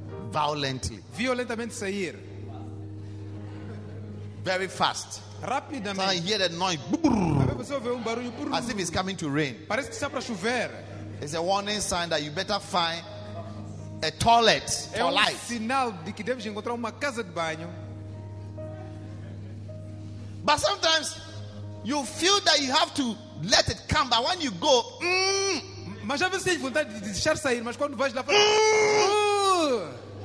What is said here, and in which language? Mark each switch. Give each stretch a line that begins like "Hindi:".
English: Violently.
Portuguese: Violentamente sair.
English: Very fast.
Portuguese: Rapidamente.
English: So I hear the noise. As if it's coming to rain.
Portuguese: Parece que está para chover.
English: It's a warning sign that you better find a toilet for
Portuguese: é
English: life.
Portuguese: Sinal de que deves encontrar uma casa de banho.
English: But sometimes you feel that you have to let it come, but when you go,
Portuguese: mas já vês que tens vontade de deixar sair, mas quando vais lá para